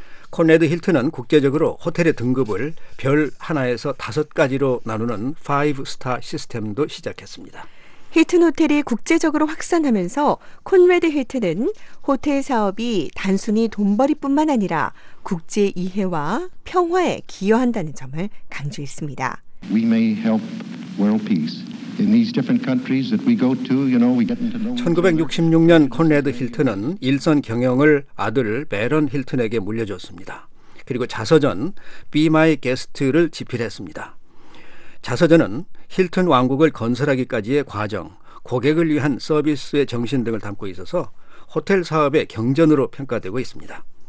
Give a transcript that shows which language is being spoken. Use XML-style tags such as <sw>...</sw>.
<ko>콘라드 힐튼은 국제적으로 호텔의 등급을 별 하나에서 5가지로 나누는 5스타 시스템도 시작했습니다. 힐튼 호텔이 국제적으로 확산하면서 콘라드 힐튼은 호텔 사업이 단순히 돈벌이뿐만 아니라 국제 이해와 평화에 기여한다는 점을 강조했습니다.</ko> <en>We may help world peace. In these different countries that we go to, you know, we get into</en> <ko>the 1966년 콘라드 힐튼은 일선 경영을 아들 베런 힐튼에게 물려줬습니다. 그리고 자서전 Be My Guest를 집필했습니다. 자서전은 힐튼 왕국을 건설하기까지의 과정, 고객을 위한 서비스의 정신 등을 담고 있어서 호텔 사업의 경전으로 평가되고 있습니다.</ko>